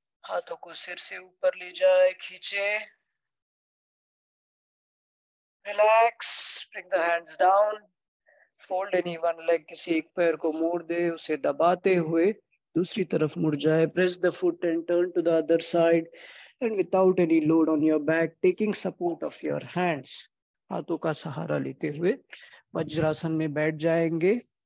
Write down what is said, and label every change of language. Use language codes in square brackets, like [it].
[hi] हाथों को सिर से ऊपर ले जाए, खींचे. [en] Relax. Bring the hands down. Fold any one leg. [hi] किसी एक पैर को मोड़ दे, उसे दबाते हुए दूसरी तरफ मुड़ जाए. [en] Press the foot and turn to the other side. and without any load on your back, taking support of your hands. [hi] हाथों का सहारा लेते हुए वज्रासन में बैठ जाएंगे.